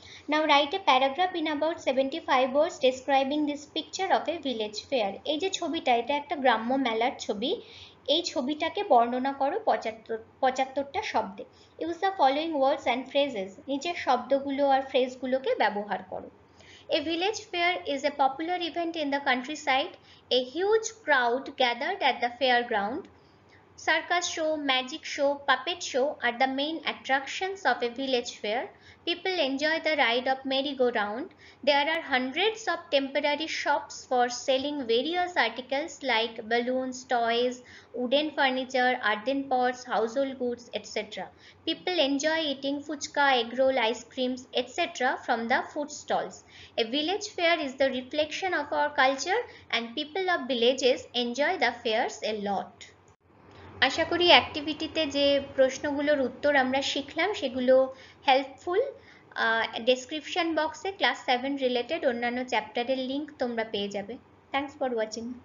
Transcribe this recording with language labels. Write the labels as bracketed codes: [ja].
[en] now write a paragraph in about 75 words describing this picture of a village fair, [bn] এই যে ছবিটা এটা একটা গ্রাম্য মেলার ছবি, এই ছবিটাকে বর্ণনা করো 75টা শব্দে। [en] use the following words and phrases, [bn] নিচের শব্দগুলো আর ফ্রেজগুলোকে ব্যবহার করো। [en] A village fair is a popular event in the countryside. A huge crowd gathered at the fairground. Circus show, magic show, puppet show are the main attractions of a village fair. People enjoy the ride of merry-go-round. There are hundreds of temporary shops for selling various articles like balloons, toys, wooden furniture, earthen pots, household goods, etc. People enjoy eating fuchka, egg roll, ice creams, etc. from the food stalls. A village fair is the reflection of our culture and people of villages enjoy the fairs a lot. [bn] আশা করি অ্যাক্টিভিটিতে যে প্রশ্নগুলোর উত্তর আমরা শিখলাম সেগুলো helpful. Description বক্সে class 7 related অন্যান্য চ্যাপ্টারের লিঙ্ক তোমরা পেয়ে যাবে। [en] Thanks for watching.